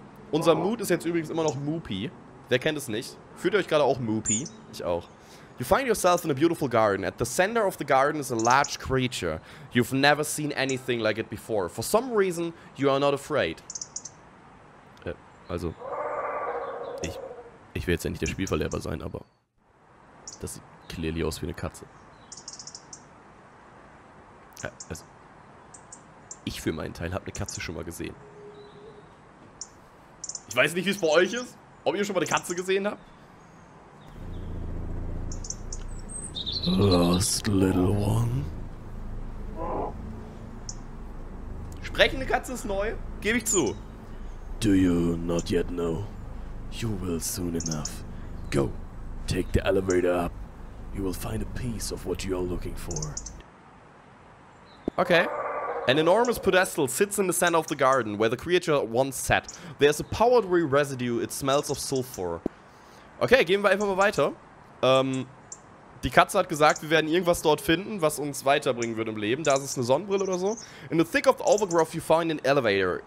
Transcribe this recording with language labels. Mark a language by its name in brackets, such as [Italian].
[German] Unser Mood ist jetzt übrigens immer noch moopy. Wer kennt es nicht? Fühlt ihr euch gerade auch moopy? Ich auch. [English] You find yourself in a beautiful garden. At the center of the garden is a large creature. You've never seen anything like it before. For some reason, you are not afraid. Also... [German] Ich will jetzt ja nicht der Spielverlehrer sein, aber das sieht clearly aus wie eine Katze. Also, ich für meinen Teil habe eine Katze schon mal gesehen. Ich weiß nicht, wie es bei euch ist, ob ihr schon mal eine Katze gesehen habt. [English] Lost little one. [German] Sprechende Katze ist neu, gebe ich zu. [English] Do you not yet know? You will soon enough. Go, take the elevator up. You will find a piece of what you are looking for. Okay. An enormous pedestal sits in the center of the garden where the creature once sat. There's a powdery residue. It smells of sulfur. [German] Okay, gehen wir einfach mal weiter. Die Katze hat gesagt, wir werden irgendwas dort finden, was uns weiterbringen wird im Leben. Da ist es eine Sonnenbrille oder so. [English] In the thick of the overgrowth you find an elevator.